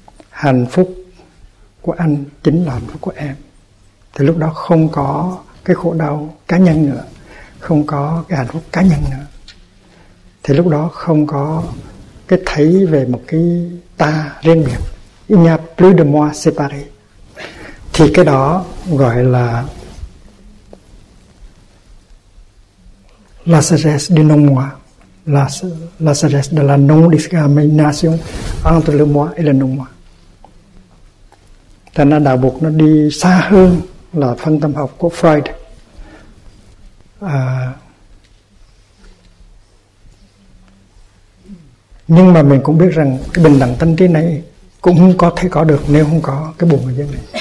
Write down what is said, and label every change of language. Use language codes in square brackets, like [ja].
[vi] Hạnh phúc của anh chính là hạnh phúc của em. Thì lúc đó không có cái khổ đau cá nhân nữa, không có cái hạnh phúc cá nhân nữa. Thì lúc đó không có cái thấy về một cái ta riêng biệt. [fr] Il n'y a plus de moi séparé. [vi] Thì cái đó gọi là [fr] la sagesse du non moi. La sagesse de la non discrimination entre le moi et le non moi. [vi] Thế nên đạo Bụt nó đi xa hơn là phân tâm học của Freud. Nhưng mà mình cũng biết rằng cái bình đẳng tâm trí này cũng không có thể có được nếu không có cái buồn ở dưới này.